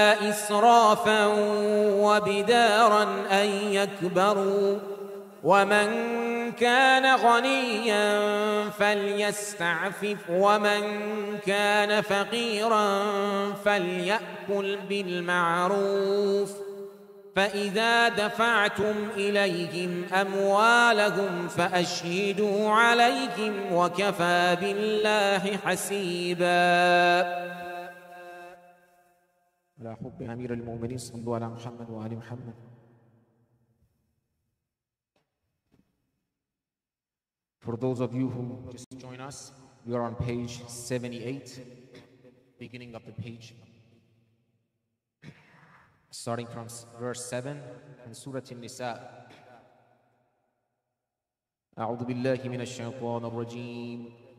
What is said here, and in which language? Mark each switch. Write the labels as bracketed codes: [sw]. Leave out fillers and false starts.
[ar] إسرافا وبدارا أن يكبروا ومن كان غنيا فليستعفف ومن كان فقيرا فليأكل بالمعروف فإذا دفعتم إليهم أموالهم فأشهدوا عليهم وكفى بالله حسيبا. على حب أمير المؤمنين صلى الله عليه محمد وآل محمد. [en] For those of you who just join us, we are on page 78, beginning of the page, starting from verse 7 in Surah An-Nisa. [ar] أعوذ بالله من الشيطان الرجيم.